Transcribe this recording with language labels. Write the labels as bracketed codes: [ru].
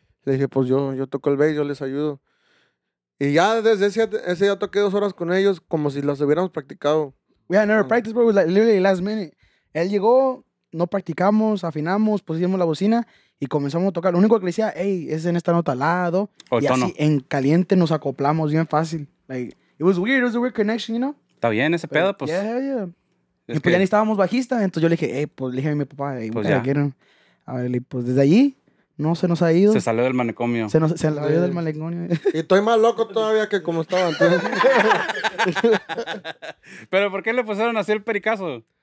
[es] Le dije, pues yo toco el bass, yo les ayudo. Y ya desde ese día toqué 2 horas con ellos como si las hubiéramos practicado. [en] We had never practiced, bro. It was like literally last minute. [es] Él llegó, no practicamos, afinamos, pusimos la bocina y comenzamos a tocar. Lo único que le decía, hey, es en esta nota al lado. O el y tono. Así en caliente nos acoplamos bien fácil. [en] Like, it was a weird connection, you know? [es] Está bien ese pedo, pues. [en] Yeah, yeah, yeah. [es] Y pues ya ni estábamos bajista, entonces yo le dije, pues le dije a mi papá, a ver, pues desde allí, no se nos ha ido. Se salió del manicomio. Se salió del manicomio. Y estoy más loco todavía que como estaba antes. ¿Pero por qué le pusieron así el pericazo?